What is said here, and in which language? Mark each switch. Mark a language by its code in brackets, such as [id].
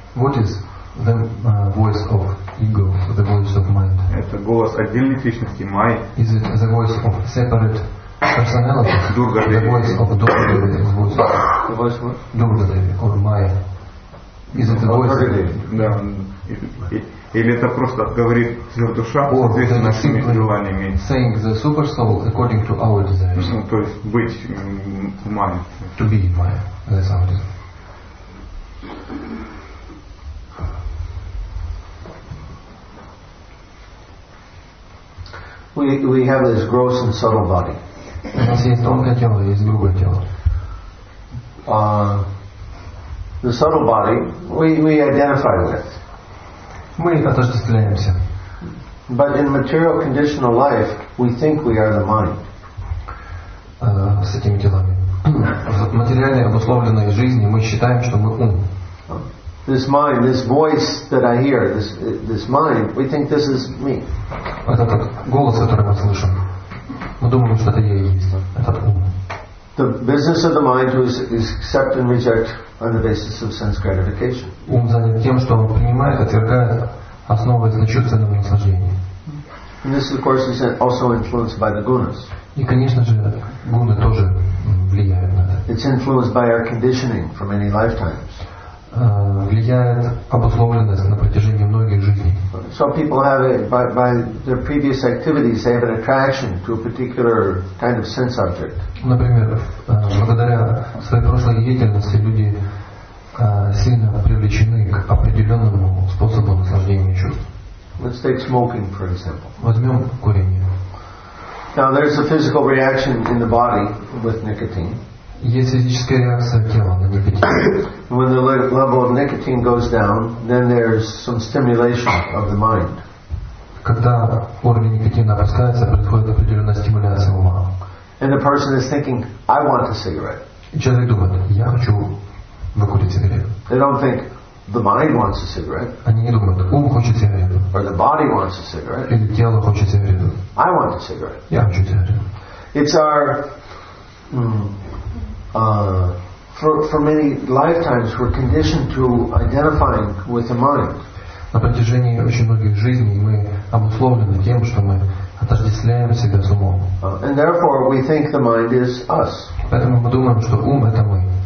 [en] What is the voice of ego, the voice of mind? [ru] Это голос отдельных личностей, Май. [en] Is it the voice of separate personality? Durga Devi. The voice of Durga Devi. The voice of Durga Devi or Maya. Is it the voice of [ru] Да. Или это просто говорит сверхдуша, соответственно, нашими желаниями. [en] Saying the super soul according to our desires. [ru] Ну, то есть быть Май. [en] To be Maya. That's how it is. We have this gross and subtle body. The subtle body we identify with. [ru] Мы отождествляемся. [en] But in material conditional life, we think we are the mind. [ru] С этими телами. В материальной обусловленной жизни мы считаем, что мы ум. [en] This mind, this voice that I hear, this mind, we think this is me. [ru] Этот голос, который мы слышим, мы думаем, что это я и есть. Этот ум. [en] The business of the mind is accept and reject on the basis of sense gratification. [ru] Ум занят тем, что он принимает, отвергает, основывается на чувственном наслаждении. [en] And this, of course, is also influenced by the gunas. [ru] И, конечно же, гуны тоже влияют на это. [en] It's influenced by our conditioning for many lifetimes. [ru] Влияет обусловленность на протяжении многих жизней. [en] So people have it by their previous activities, they have an attraction to a particular kind of sense object. [ru] Например, благодаря своей прошлой деятельности люди сильно привлечены к определенному способу наслаждения чувств. [en] Let's take smoking for example. [ru] Возьмем курение. [en] Now there's a physical reaction in the body with nicotine. [ru] Есть физическая реакция тела на никотин. [en] When the level of nicotine goes down, then there's some stimulation of the mind. [ru] Когда уровень никотина опускается, происходит определенная стимуляция ума. [en] And the person is thinking, I want a cigarette. [ru] Человек думает, я хочу выкурить сигарету. [en] They don't think the mind wants a cigarette. [ru] Они не думают, ум хочет сигарету. [en] Or the body wants a cigarette. [ru] Или тело хочет сигарету. [en] I want a cigarette. [ru] Я хочу сигарету. [en] It's our for many lifetimes we're conditioned to identifying with the mind. [ru] На протяжении очень многих жизней мы обусловлены тем, что мы отождествляем себя с умом. [en] And therefore we think the mind is us. [ru] Поэтому мы думаем, что ум — это мы.